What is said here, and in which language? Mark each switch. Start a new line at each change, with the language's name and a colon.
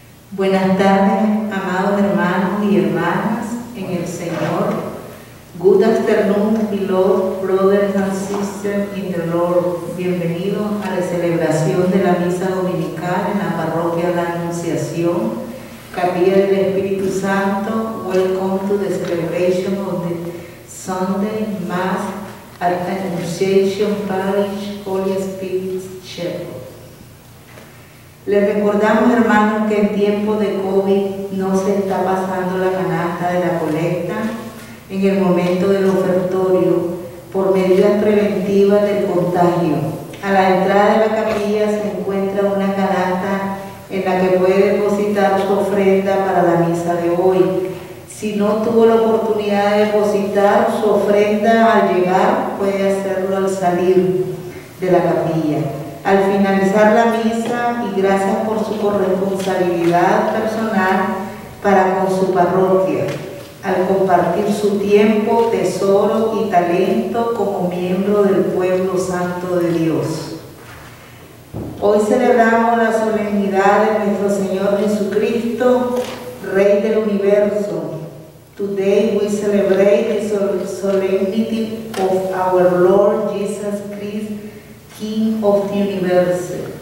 Spanish: Buenas tardes, amados hermanos y hermanas en el Señor.
English: Good afternoon, beloved brothers and sisters in the Lord.
Spanish: Bienvenidos a la celebración de la misa dominical en la parroquia de la Anunciación, Capilla del Espíritu Santo.
English: Welcome to the celebration of the Sunday Mass at the Anunciation Parish Holy Spirit Chapel.
Spanish: Les recordamos, hermanos, que en tiempo de COVID no se está pasando la canasta de la colecta en el momento del ofertorio por medidas preventivas del contagio. A la entrada de la capilla se encuentra una canasta en la que puede depositar su ofrenda para la misa de hoy. Si no tuvo la oportunidad de depositar su ofrenda al llegar, puede hacerlo al salir de la capilla. Al finalizar la misa, y gracias por su corresponsabilidad personal para con su parroquia, al compartir su tiempo, tesoro y talento como miembro del pueblo santo de Dios. Hoy celebramos la solemnidad de nuestro Señor Jesucristo, Rey del Universo.
English: Today we celebrate the solemnity of our Lord Jesus Christ, King of the Universe.